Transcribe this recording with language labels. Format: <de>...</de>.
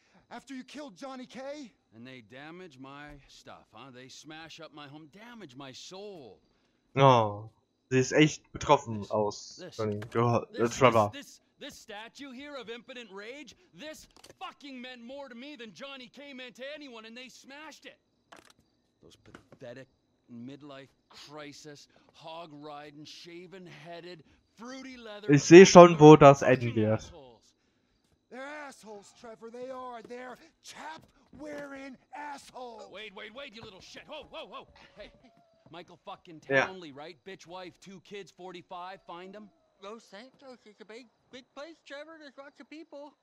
<en>After you killed Johnny Kay? And they damage my stuff, huh? They smash up my home, damage my soul.</en> <de>Oh, sie ist echt betroffen aus Trevor.</de> <en>This statue here of impotent rage, this fucking meant more to me than Johnny Kay meant to anyone, and they smashed it. Those pathetic midlife crisis, hog riding, shaven headed, fruity leather.</en> <de>Ich sehe schon, wo das enden wird.</de> <en>They're assholes, Trevor. They are. They're chap wearing assholes. Wait, you little shit. Whoa. Hey, Michael fucking Townley, yeah. Right? Bitch, wife, two kids, 45. Find them. Los Santos is a big place, Trevor. There's lots of people.</en>